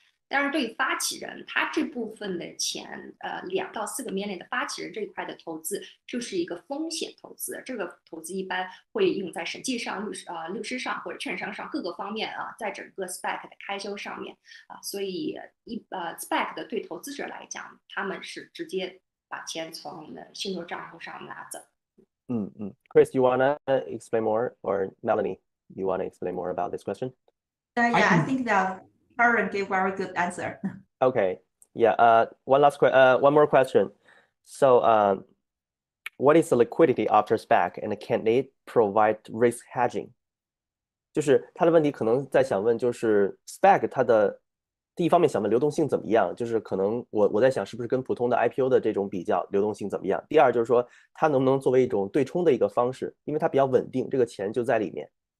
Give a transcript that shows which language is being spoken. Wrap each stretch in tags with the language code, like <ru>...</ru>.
<zh>但是对于发起人，他这部分的钱，2到4个 million 的发起人这一块的投资，就是一个风险投资。这个投资一般会用在审计上、律师上或者券商上各个方面在整个 SPAC 的开销上面所以SPAC 的对投资者来讲，他们是直接把钱从信托账户上拿走。</zh> <en>Chris, you wanna explain more, or Melanie, you wanna explain more about this question? Yeah, I think that Karen gave a very good answer. Okay, yeah. One more question. So, what is the liquidity after SPAC, and can it provide risk hedging?</en> <zh>就是他的问题可能在想问，就是 SPAC 它的第一方面想问流动性怎么样，就是可能我在想是不是跟普通的 IPO 的这种比较流动性怎么样。第二就是说它能不能作为一种对冲的一个方式，因为它比较稳定，这个钱就在里面。</zh>